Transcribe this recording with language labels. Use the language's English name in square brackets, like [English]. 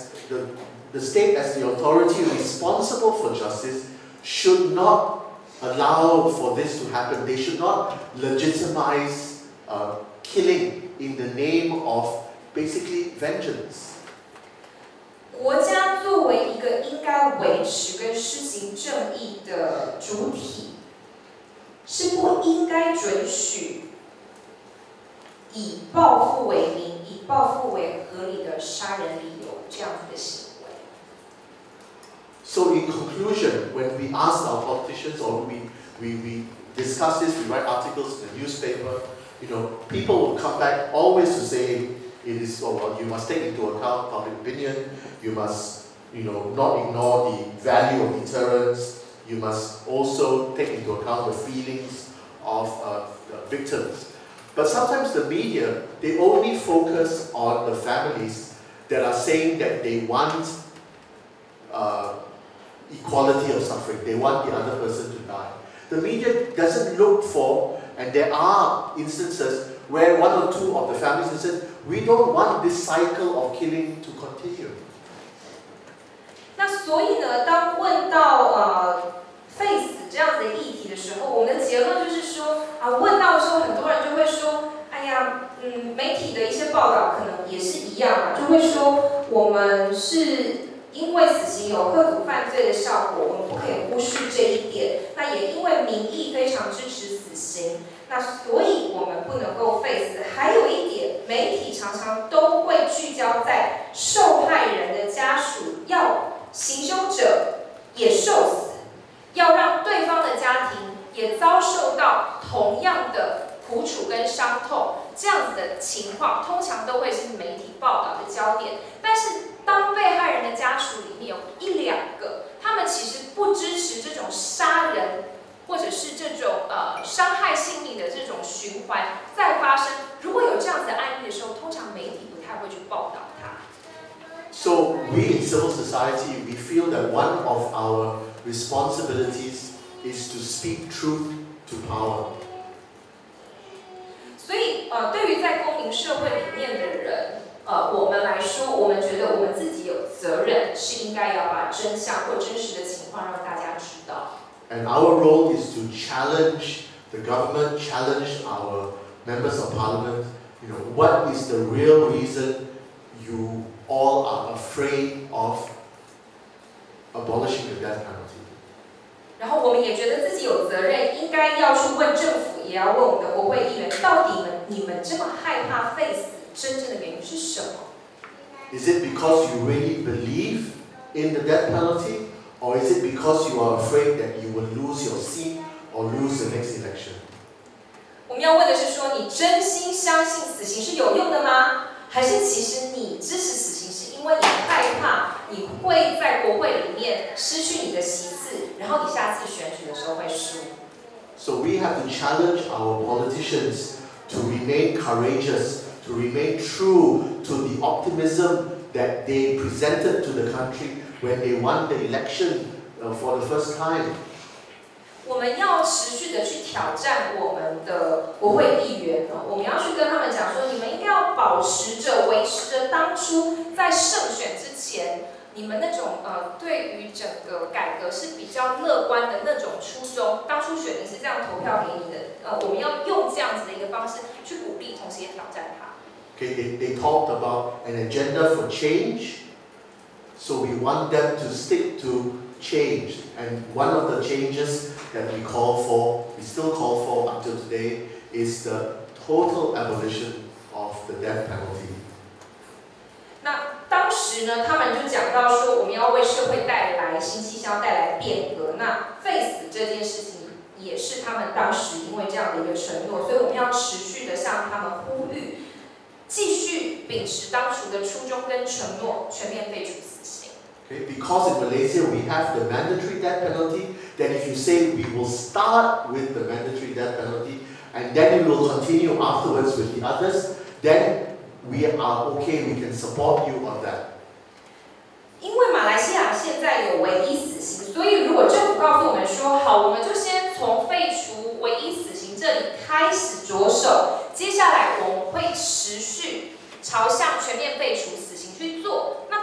[English] The state as the authority responsible for justice. Should not allow for this to happen. They should not legitimize killing in the name of basically vengeance. [Chinese] 国家作为一个应该维持跟施行正义的主体，是不应该准许以报复为名、以报复为合理的杀人理由这样子的行为。 [English] So in conclusion, when we ask our politicians or we discuss this, we write articles in the newspaper, you know, people will come back always to say it is, oh, well, you must take into account public opinion, you must, you know, not ignore the value of deterrence, you must also take into account the feelings of the victims. But sometimes the media, they only focus on the families that are saying that they want equality of suffering. They want the other person to die. The media doesn't look for, and there are instances where one or two of the families have said, we don't want this cycle of killing to continue. [Chinese] 那所以呢，当问到废死这样的议题的时候，我们的结论就是说，问到的时候，很多人就会说，哎呀，媒体的一些报道可能也是一样。样嘛，就会说我们是因为死刑有克服犯罪的效果，我们不可以忽视这一点。那也因为民意非常支持死刑，那所以我们不能够废死。还有一点，媒体常常都会聚焦在受害人的家属，要行凶者也受死，要让对方的家庭也遭受到同样的苦楚跟伤痛，这样子的情况通常都会是媒体报道的焦点。但是当被害人的家属里面有一两个，他们其实不支持这种杀人或者是这种伤害性命的这种循环再发生，如果有这样子的案例的时候，通常媒体不太会去报道它。 [English] So we in civil society, we feel that one of our responsibilities is to speak truth to power. [Chinese] 所以，对于在公民社会里面的人，我们来说，我们觉得我们自己有责任，是应该要把真相或真实的情况让大家知道。 [English] And our role is to challenge the government, challenge our members of parliament. You know, what is the real reason you all are afraid of abolishing the death penalty? [Chinese] 然后我们也觉得自己有责任，应该要去问政府，也要问我们的国会议员，到底你们这么害怕废死，真正的原因是什么？ [English] Is it because you really believe in the death penalty? Or is it because you are afraid that you will lose your seat or lose the next election? [Chinese] 我们要问的是说，你真心相信死刑是有用的吗？还是其实你支持死刑是因为你害怕你会在国会里面失去你的席次，然后你下次选举的时候会输？ [English] So we have to challenge our politicians to remain courageous, to remain true to the optimism that they presented to the country. When they won the election for the first time, [Chinese] 我们要持续的去挑战我们的国会议员啊！我们要去跟他们讲说，你们一定要保持着、维持着当初在胜选之前你们那种对于整个改革是比较乐观的那种初衷。当初选民是这样投票给你的，我们要用这样子的一个方式去鼓励，同时也挑战他。 [English] Okay, they talked about an agenda for change. So we want them to stick to change, and one of the changes that we call for, we still call for up till today, is the total abolition of the death penalty. [Chinese] 那当时呢，他们就讲到说，我们要为社会带来新气象，带来变革。那废死这件事情也是他们当时因为这样的一个承诺，所以我们要持续的向他们呼吁，继续秉持当初的初衷跟承诺，全面废除。 [English] Okay, because in Malaysia we have the mandatory death penalty, then if you say we will start with the mandatory death penalty and then we will continue afterwards with the others, then we are okay, we can support you on that. [Chinese] 因为马来西亚现在有唯一死刑，所以如果政府告诉我们说好，我们就先从废除唯一死刑这里开始着手，接下来我们会持续朝向全面废除死刑去做。